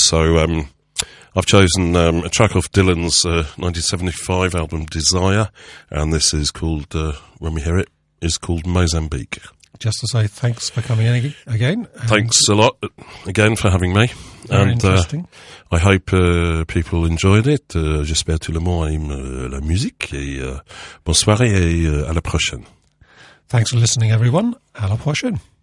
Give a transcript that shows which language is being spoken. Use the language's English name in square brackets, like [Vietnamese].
[English] So I've chosen a track off Dylan's 1975 album Desire, and this is called, when we hear it, is called Mozambique. Just to say thanks for coming in again. Thanks a lot again for having me. Very interesting. I hope people enjoyed it. [French] J'espère tout le monde aime la musique. Et bonsoir et à la prochaine. [English] Thanks for listening, everyone. [French] À la prochaine.